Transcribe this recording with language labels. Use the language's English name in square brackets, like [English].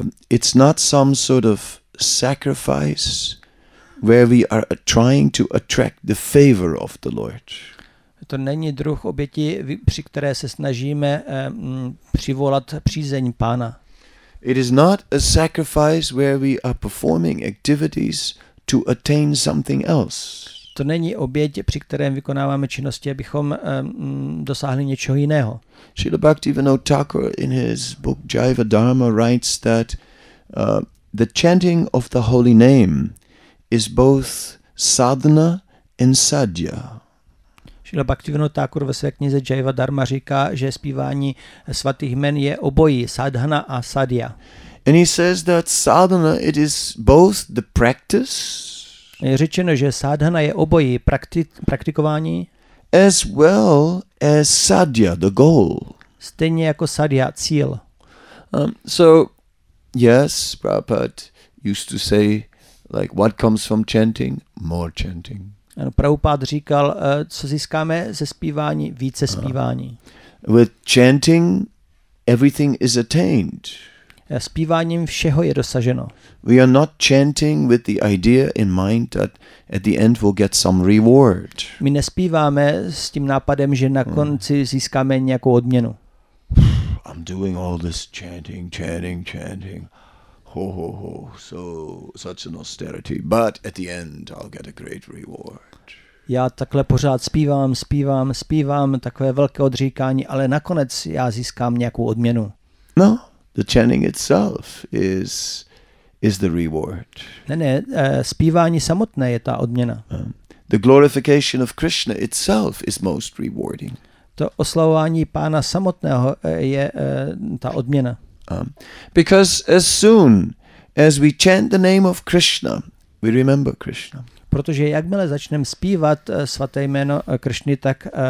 [English] It's not some sort of sacrifice where we are trying to attract the favor of the Lord. [Czech] To není druh oběti, při které se snažíme přivolat přízeň Pána. [English] It is not a sacrifice where we are performing activities to attain something else. [Czech] To není oběť, při kterém vykonáváme činnosti, abychom dosáhli něčeho jiného. [English] Srila Bhaktivinoda Thakur in his book Jiva Dharma writes that the chanting of the holy name is both sadhana and sadhya. [Czech] Srila Bhaktivinoda Thakur ve své knize Jiva Dharma říká, že zpívání svatých jmen je obojí, sadhana a sadhya. [English] And he says that sadhana, it is both the practice. [Czech] Je řečeno, že sádhana je obojí praktikování. [English] As well as sadhya, the goal. [Czech] Stejně jako sadhya, cíl. [English] So, yes, Prabhupada used to say, like, what comes from chanting? More chanting. [Czech] Ano, Prabhupada říkal, co získáme ze zpívání? Více zpívání. [English] With chanting, everything is attained. [Czech] Zpíváním všeho je dosaženo. [English] We are not chanting with the idea in mind that at the end we'll get some reward. [Czech] My nespíváme s tím nápadem, že na konci získáme nějakou odměnu. [English] I'm doing all this chanting. Ho, so such an austerity, but at the end I'll get a great reward. [Czech] Já takhle pořád zpívám, takové velké odříkání, ale nakonec já získám nějakou odměnu. [English] No. The chanting itself is the reward. [Czech] Ne, zpívání samotné je ta odměna. [English] The glorification of Krishna itself is most rewarding. [Czech] To oslavování Pána samotného je ta odměna. [English] Because as soon as we chant the name of Krishna, we remember Krishna. [Czech] Protože jakmile začneme zpívat svaté jméno Krishny, tak